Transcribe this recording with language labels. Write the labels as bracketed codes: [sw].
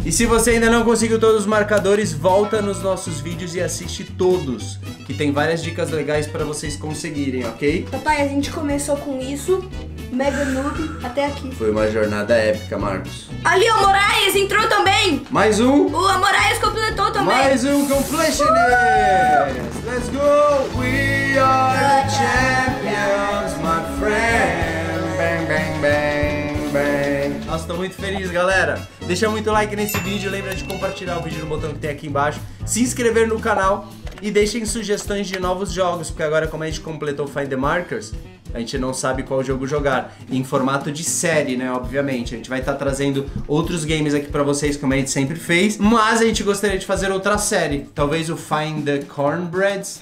[pt] E se você ainda não conseguiu todos os marcadores, volta nos nossos vídeos e assiste todos, que tem várias dicas legais para vocês conseguirem, ok? Papai, a gente começou com isso, mega noob, até aqui. Foi uma jornada épica, Marcos. Ali, o Moraes entrou também. Mais um. O Moraes completou também. Mais um completionist. [en] Let's go. We are the champions, my friend. Bang, bang, bang, bang. [pt] Nossa, tô muito feliz, galera. Deixa muito like nesse vídeo. Lembra de compartilhar o vídeo no botão que tem aqui embaixo. Se inscrever no canal. E deixem sugestões de novos jogos, porque agora como a gente completou Find the Markers, a gente não sabe qual jogo jogar. Em formato de série, né, obviamente. A gente vai estar trazendo outros games aqui pra vocês, como a gente sempre fez. Mas a gente gostaria de fazer outra série. Talvez o Find the Cornbreads.